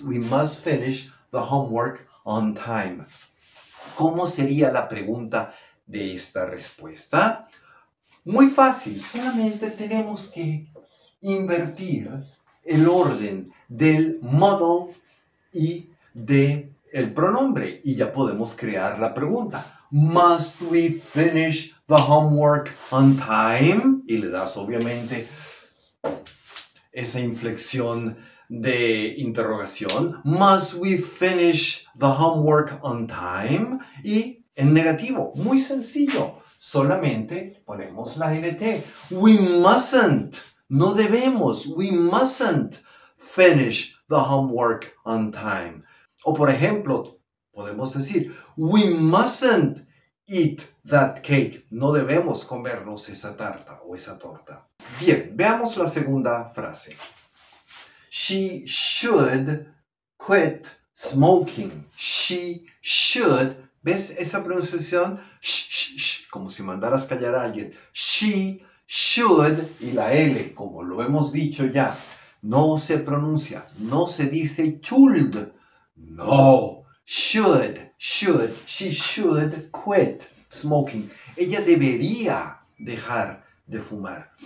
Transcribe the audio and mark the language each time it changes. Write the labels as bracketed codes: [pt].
[en] We must finish the homework on time. [es] ¿Cómo sería la pregunta de esta respuesta? Muy fácil. Solamente tenemos que invertir el orden del modal y del pronombre. Y ya podemos crear la pregunta. [en] Must we finish the homework on time? [es] Y le das obviamente esa inflexión de interrogación. [en] Must we finish the homework on time? [es] Y en negativo, muy sencillo, solamente ponemos la NT. [en] We mustn't, [es] no debemos, [en] we mustn't finish the homework on time. [es] O por ejemplo, podemos decir, [en] we mustn't eat that cake. [es] No debemos comernos esa tarta o esa torta. Bien, veamos la segunda frase. [en] She should quit smoking. She should. [es] ¿Ves esa pronunciación? Sh, sh, sh, como si mandaras callar a alguien. [en] She should. [es] Y la L, como lo hemos dicho ya, no se pronuncia. No se dice should. No. Should. Should. [en] She should quit smoking. [es] Ella debería dejar de fumar.